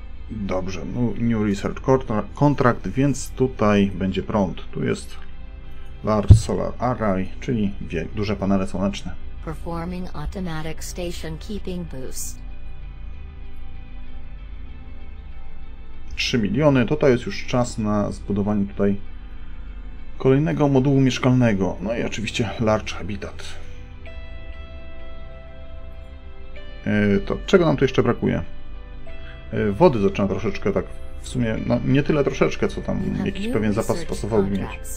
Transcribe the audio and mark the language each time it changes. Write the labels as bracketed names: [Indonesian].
[Polish] Dobrze, [English] no new research contract, [Polish] więc tutaj będzie prąd. Tu jest large solar array, czyli duże panele słoneczne. [English] Performing automatic station keeping boost. [Polish] 3 miliony, to tutaj jest już czas na zbudowanie tutaj kolejnego modułu mieszkalnego. No i oczywiście large habitat. To czego nam tu jeszcze brakuje? Wody zaczyna troszeczkę tak, w sumie, no nie tyle troszeczkę, co tam jakiś pewien zapas pasowałby mieć.